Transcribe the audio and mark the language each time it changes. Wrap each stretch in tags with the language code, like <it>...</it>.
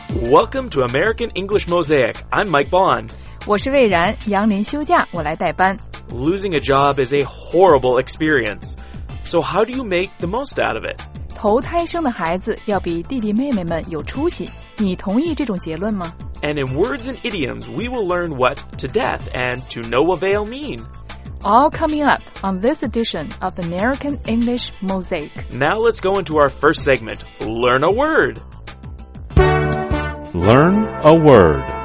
<en>Welcome to American English Mosaic. I'm Mike Bond.</en> <zh>我是魏然，杨林休假，我来代班。</zh> <en>Losing a job is a horrible experience. So how do you make the most out of it?</en> <zh>头胎生的孩子要比弟弟妹妹们有出息。你同意这种结论吗？</zh> <en>And in words and idioms, we will learn what to death and to no avail mean. All coming up on this edition of American English Mosaic. Now let's go into our first segment, Learn a Word. Learn a word.</en>